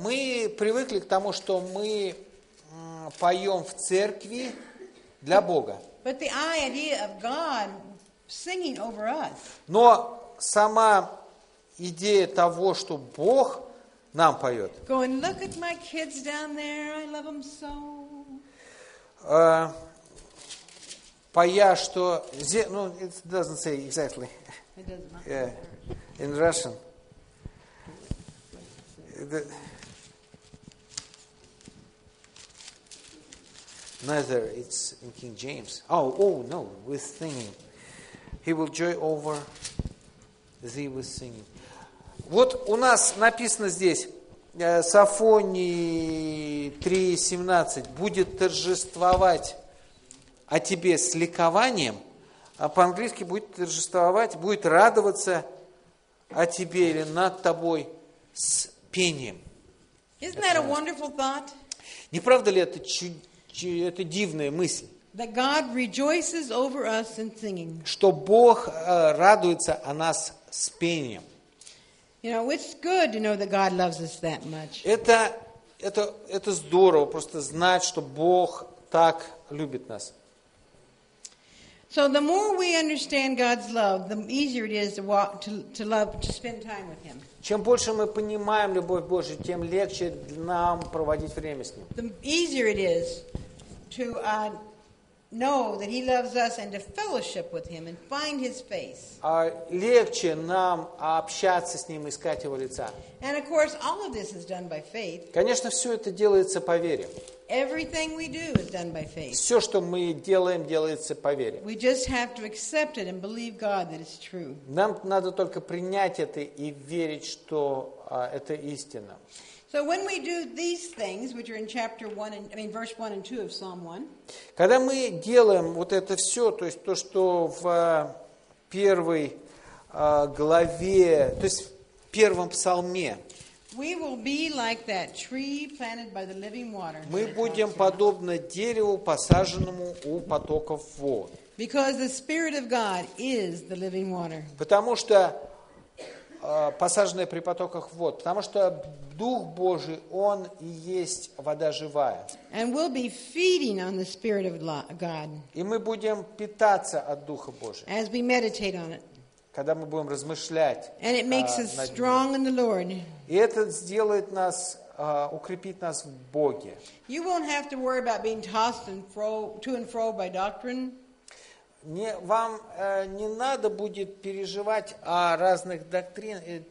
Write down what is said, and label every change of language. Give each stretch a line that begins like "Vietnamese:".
Russian: Мы привыкли к тому, что мы поем в церкви для Бога.
English: But the idea of God singing over us.
Russian: Но сама идея того, что Бог нам поет.
English: Going, look at my kids down there. I love them so.
Russian: Пая, что...
English: Ну, it doesn't say exactly. It doesn't matter. In Russian. Neither, it's in King James. Oh, no, with singing. He will joy over thee with singing.
Russian: Вот у нас написано здесь, Софонии 3.17, будет торжествовать о тебе с ликованием, а по-английски будет торжествовать, будет радоваться о тебе или над тобой с пением.
English: Isn't that a wonderful thought?
Russian: Не правда ли это это дивная мысль?
English: That God rejoices over us in singing.
Russian: Что Бог радуется о нас с пением.
English: You know, it's good to know that God loves us that much.
Russian: Это здорово, просто знать, что Бог так любит нас.
English: So the more we understand God's love, the easier it is to spend time with Him.
Russian: Чем больше мы понимаем любовь Божию, тем легче нам проводить время с Ним.
English: The easier it is to know that he loves us and to fellowship with him and find his face.
Russian: Легче нам общаться с ним, искать его лица.
English: And of course, all of this is done by faith.
Russian: Конечно, все это делается по вере.
English: Everything we do is done by faith.
Russian: Все, что мы делаем, делается по вере.
English: We just have to accept it and believe God that it's true.
Russian: Нам надо только принять это и верить, что это истина.
English: So when we do these things, which are in chapter 1, and, I mean verse 1 and 2 of Psalm 1.
Russian: Когда мы делаем вот это все, то есть то, что в первой главе, то есть в первом псалме.
English: We will be like that tree planted by the living water.
Russian: Мы будем подобно дереву, посаженному у потоков вод.
English: Because the Spirit of God is the living water.
Russian: Потому что посаженное при потоках вод, потому что Дух Божий, Он и есть вода живая.
English: And we'll be feeding on the Spirit of God.
Russian: И мы будем питаться от Духа Божия.
English: As we meditate on it.
Russian: Когда мы будем размышлять.
English: And it makes us strong in the Lord.
Russian: И это сделает нас, укрепит нас в Боге.
English: You won't have to worry about being tossed and fro, to and fro by doctrine.
Russian: Не, вам не надо будет переживать о разных доктринах.